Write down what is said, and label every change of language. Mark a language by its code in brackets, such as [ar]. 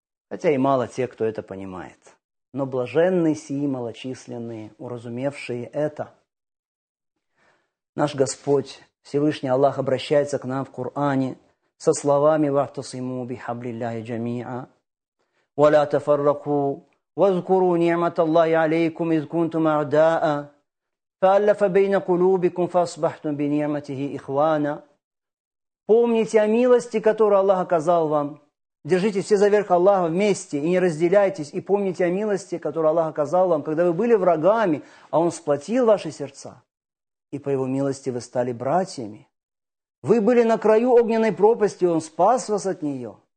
[ru] Хотя и мало тех, кто это понимает. Но блаженны сии малочисленные, уразумевшие это. Наш Господь, Всевышний Аллах, обращается к нам в Коране со словами [ar] «Вахтасиму бихаблилляхи джамиа, ва ля тафарраку». واذكروا نعمة الله عليكم إذ كنتم أعداء فألف بين قلوبكم فأصبحتم بنعمته إخوانا. [ru] Помните о милости, которую Аллах оказал вам. Держитесь все за верх Аллаха вместе и не разделяйтесь. И помните о милости, которую Аллах оказал вам, когда вы были врагами, а Он сплотил ваши сердца. И по Его милости вы стали братьями. Вы были на краю огненной пропасти, и Он спас вас от нее.